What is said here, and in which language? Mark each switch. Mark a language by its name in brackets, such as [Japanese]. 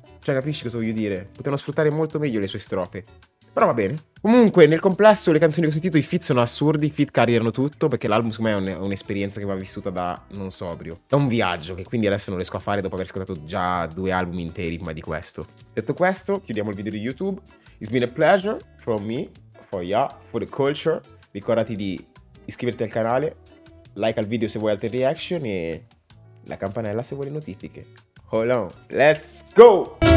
[Italian] Cioè, capisci cosa voglio dire? Potevano sfruttare molto meglio le sue strofe. Però va bene. Comunque, nel complesso, le canzoni che ho sentito, i feat sono assurdi, i feat carriano tutto, perché l'album su me è un'esperienza che va vissuta da non sobrio. È un viaggio, che quindi adesso non riesco a fare dopo aver ascoltato già due album interi prima di questo. Detto questo, chiudiamo il video di YouTube. [English] It's been a pleasure from me, for ya, for the culture. [Italian] Ricordati di iscriverti al canale, like al video se vuoi altre reaction e la campanella se vuoi le notifiche. [English] Hold on, let's go!